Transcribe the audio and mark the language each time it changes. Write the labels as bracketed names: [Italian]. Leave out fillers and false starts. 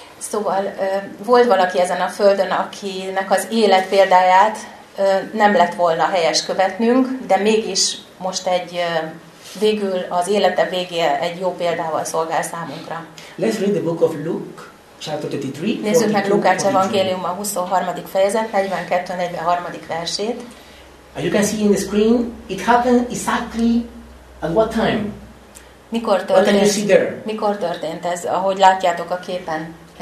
[Hungarian] Szóval volt valaki ezen a földön, akinek az élet példáját nem lett volna helyes követnünk, de mégis most egy végül az élete végén egy jó példával szolgál számunkra. [English] Let's read the book of Luke, chapter 33. [Hungarian] Nézzük meg Lukács evangélium a 23. fejezet 42-43. Versét. [English] As you can see in the screen, it happened exactly at what time? [Hungarian] Mikor történt? [English] What can you see there? [Hungarian] Mikor történt ez, ahogy látjátok a képen?